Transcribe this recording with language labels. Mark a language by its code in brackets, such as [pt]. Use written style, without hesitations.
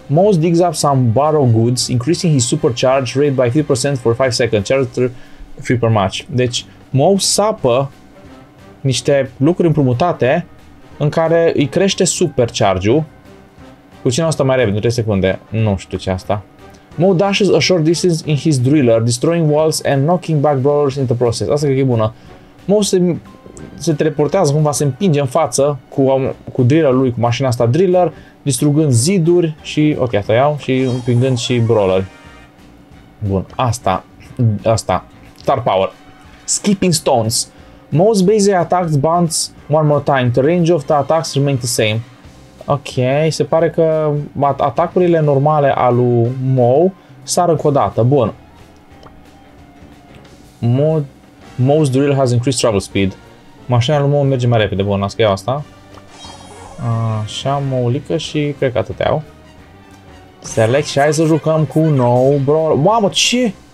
[en] Mou digs up some barrow goods, increasing his supercharge rate by 3% for 5 seconds. Charge 3 per match. [ro] Deci, Mou sapă niște lucruri împrumutate în care îi crește supercharge-ul. Puțin asta mai repede, 3 secunde. Nu știu ce asta. [en] Mou dashes a short distance in his driller, destroying walls and knocking back brawlers in the process. [ro] Asta cred că e bună. Mou se teleportează cumva, se împinge în față cu driller-ul lui, cu mașina asta driller, distrugând ziduri și, ok, asta iau, și împingând și brawler. Bun, asta, star power. Skipping stones. [en] Mou's basic attacks bounce one more time. The range of the attacks remains the same. [ro] Ok, se pare că atacurile normale al lui Mou sar încă o dată. Bun. [en] Mou's drill has increased travel speed. [ro] Mașina lui Mou merge mai repede. Bun, asta e asta. Așa, Moulica și cred că atâtea au. Select și hai să jucăm cu nou brawler. Mamă, ce?